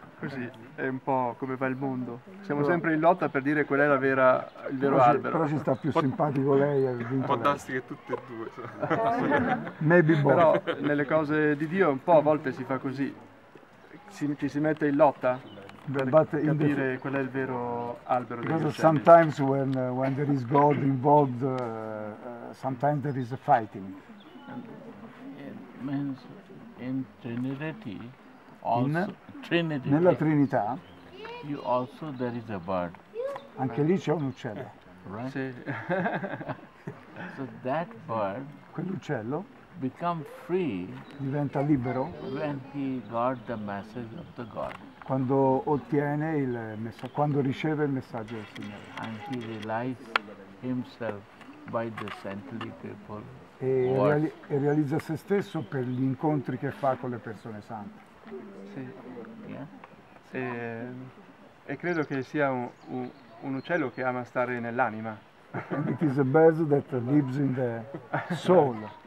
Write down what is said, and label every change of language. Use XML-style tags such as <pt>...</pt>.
<it>Così è un po' come va il mondo. Siamo sempre in lotta per dire qual è il vero però albero. Però ci sta più simpatico lei. Un po' tasti che tutte e due.</it> <en>Maybe both.</en> <it>Però nelle cose di Dio un po' a volte si fa così. Ci si mette in lotta per capire qual è il vero albero.</it> <en>Because sometimes when there is God involved, sometimes there is a fighting. Means in Trinity. Also,</en> <it>nella Trinità,</it> <en>you also there is a bird.</en> <it>Anche lì c'è un uccello.</it> <en>Right?</en> <it>Sì.</it> <en>So that bird,</en> <it>quell'uccello,</it> <en>become free,</en> <it>diventa libero,</it> <en>when he got the message of the God.</en> <it>Quando ottiene il messaggio, quando riceve il messaggio del Signore.</it> <en>And he realizes himself by the saintly people.</en> <it>E realizza se stesso per gli incontri che fa con le persone sante. Sì. E credo che sia un uccello che ama stare nell'anima.</it> <en>It is a bird that lives in the soul.</en>